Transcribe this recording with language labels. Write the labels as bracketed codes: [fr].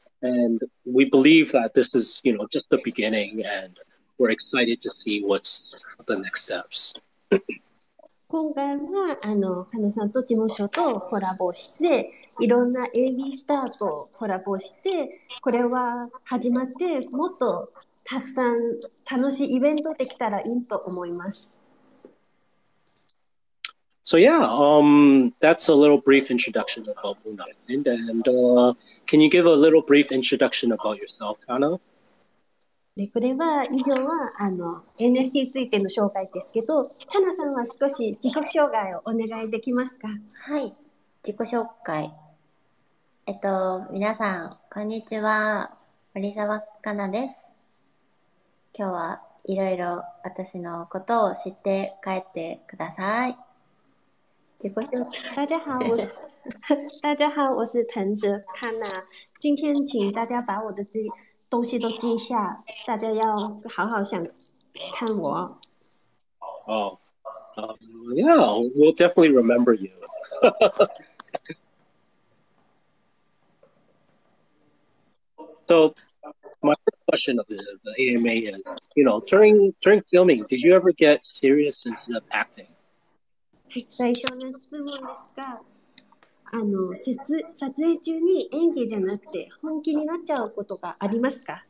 [en] And we believe that this is, you know, just the beginning, and we're excited to see what's the next steps. [ja] 今回はカナさんと事務所とコラボして、いろんな AV スターとコラボして、これは始まってもっとたくさん楽しいイベントできたらいいと思います。 [en] So yeah, that's a little brief introduction about Moon Island. And can you give a little brief introduction about yourself, Kana? [ja] でこれは以上はあの NFT についての紹介ですけど、Kana さんは少し自己紹介をお願いできますか？はい、自己紹介。皆さん、こんにちは。森沢かなです。今日はいろいろ私のことを知って帰ってください。自己紹介。 [zh] 大家好，我是大家好，我是藤泽卡纳。今天请大家把我的东西都记一下，大家要好好想看我。 [en] Yeah，we'll definitely remember you. So. My first question of the AMA is, you know, during filming, did you ever get serious instead of acting? [ja] 最初の質問ですが、あの、撮影中に演技じゃなくて本気になっちゃうことがありますか？